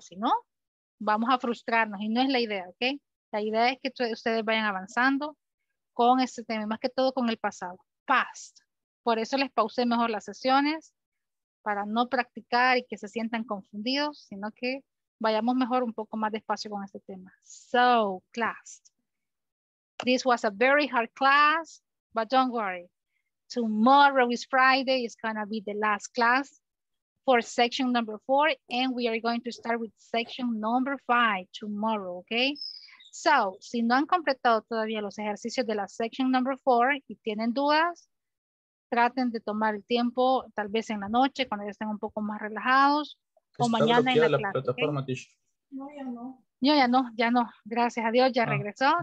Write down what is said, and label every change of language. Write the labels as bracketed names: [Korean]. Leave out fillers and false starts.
[Spanish] Si no, vamos a frustrarnos y no es la idea, ¿ok? La idea es que ustedes vayan avanzando con este tema, más que todo con el pasado, past. Por eso les pausé mejor las sesiones, para no practicar y que se sientan confundidos, sino que vayamos mejor un poco más despacio con este tema. [English] So, class. This was a very hard class, but don't worry. Tomorrow is Friday, it's gonna be the last class for section number 4, and we are going to start with section number 5 tomorrow, okay? [Spanish] So, si no han completado todavía los ejercicios de la [English] section number 4 [Spanish] y tienen dudas, traten de tomar el tiempo, tal vez en la noche, cuando ya estén un poco más relajados, o mañana en la clase. ¿Está bloqueada la plataforma, Tish? No, ya no. Ya no. Gracias a Dios, ya regresó.